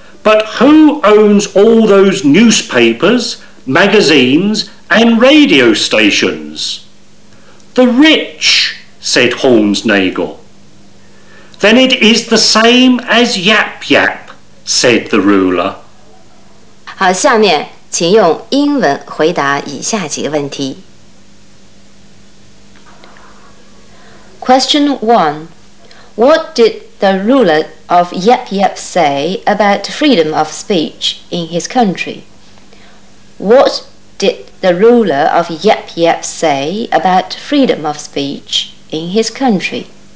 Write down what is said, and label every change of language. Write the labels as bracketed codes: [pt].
[en] But who owns all those newspapers, magazines,and radio stations. The rich, said Hornsnagel. Then it is the same as yap yap, said the ruler. [zh] 好，下面请用英文回答以下几个问题。 [en] Question 1. What did the ruler of Yap Yap say about freedom of speech in his country? What did the ruler of Yap Yap say about freedom of speech in his country?